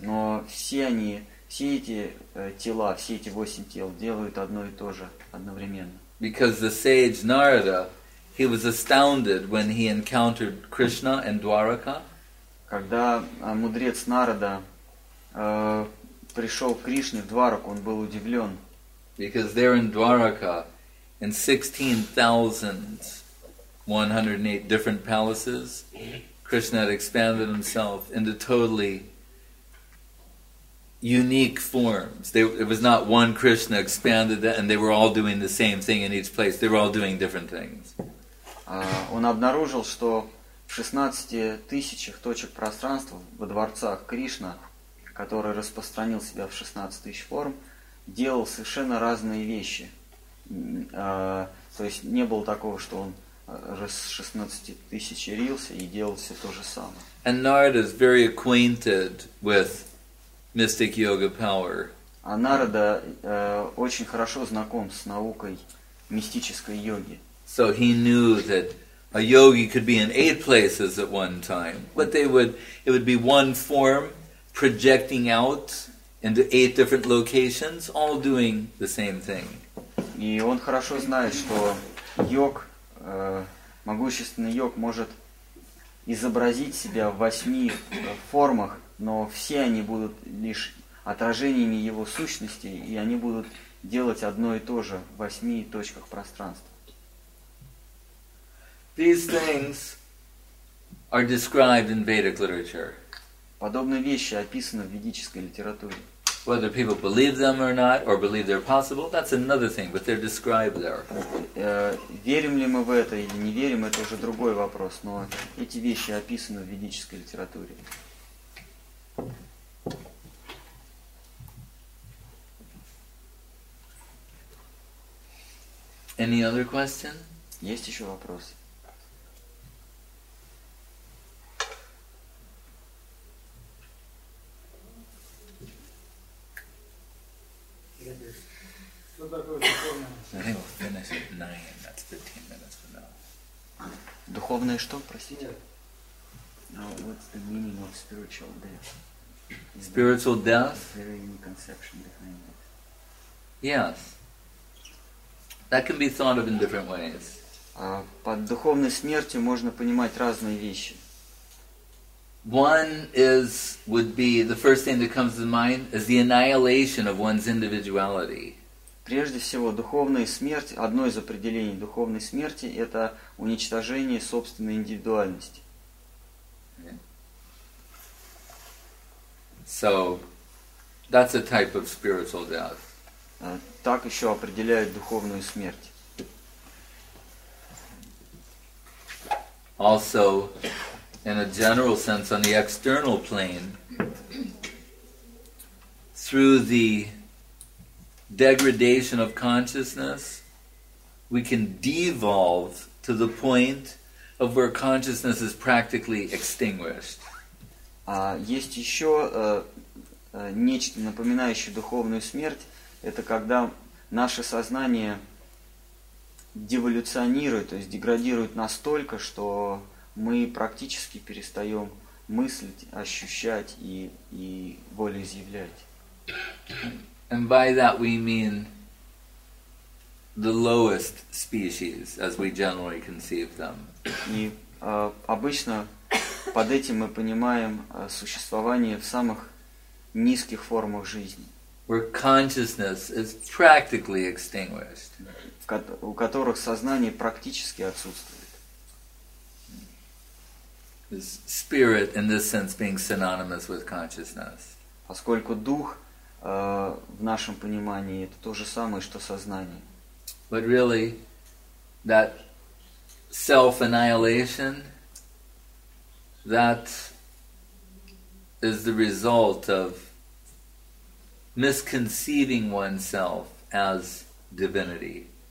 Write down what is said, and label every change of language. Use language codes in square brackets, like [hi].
[ru] Но все эти 8 тел делают одно и то же одновременно. [en] Because the sage Narada, he was astounded when he encountered Krishna and Dwaraka. [ru] Когда мудрец Нарада пришел к Кришне в Двараку, он был удивлен. [en] Because there in Dwaraka, in 16,108 different palaces, Krishna had expanded himself into totally unique forms. It was not one Krishna expanded that, and they were all doing the same thing in each place. They were all doing different things. [ru] Он обнаружил, что в 16,000 точек пространства во дворцах Кришна, который распространил себя в 16,000 форм, делал совершенно разные вещи. То есть не было такого, что он раз 16,000 рился и делал все то же самое. [en] And Narada is very acquainted with mystic yoga power. [ru] А Нарада очень хорошо знаком с наукой мистической йоги. [en] So he knew that a yogi could be in 8 places at one time, but it would be one form projecting out into 8 different locations, all doing the same thing. [ru] И он хорошо знает, что йог, могущественный йог, может изобразить себя в 8 формах, но все они будут лишь отражениями его сущности, и они будут делать одно и то же в 8 точках пространства. [en] These things are described in Vedic literature. [ru] Подобные вещи описаны в ведической литературе. [en] Whether people believe them or not, or believe they're possible, that's another thing, but they're described there. [ru] Верим ли мы в это или не верим, это уже другой вопрос, но эти вещи описаны в ведической литературе. [en] Any other question? [ru] Есть еще вопросы? [en] We'll finish at 9. That's 15 minutes from now. [ru] Духовное что, простите? [en] Now, what's the meaning of spiritual death? Spiritual death? Is there any conception behind it? Yes. That can be thought of in different ways. [ru] Под духовной смертью можно понимать разные вещи. [en] One is would be the first thing that comes to mind is the annihilation of one's individuality. [ru] Прежде всего, духовная смерть, одно из определений духовной смерти, это уничтожение собственной индивидуальности. [en] So, that's a type of spiritual death. [ru] Так еще определяют духовную смерть. [en] Also, in a general sense, on the external plane, through the degradation of consciousness, we can devolve to the point of where consciousness is practically extinguished. [ru] Есть еще нечто напоминающее духовную смерть. Это когда наше сознание деволюционирует, то есть деградирует настолько, что мы практически перестаем мыслить, ощущать и волеизъявлять. [en] And by that we mean the lowest species, as we generally conceive them. [ru] И обычно под этим мы понимаем существование в самых низких формах жизни. [en] Where consciousness is practically extinguished. [ru] У которых сознание практически отсутствует. [en] Is spirit in this sense being synonymous with consciousness? [ru] Поскольку дух в нашем понимании это то же самое, что сознание. [en] But really, that self-annihilation, that is the result of misconceiving oneself as divinity.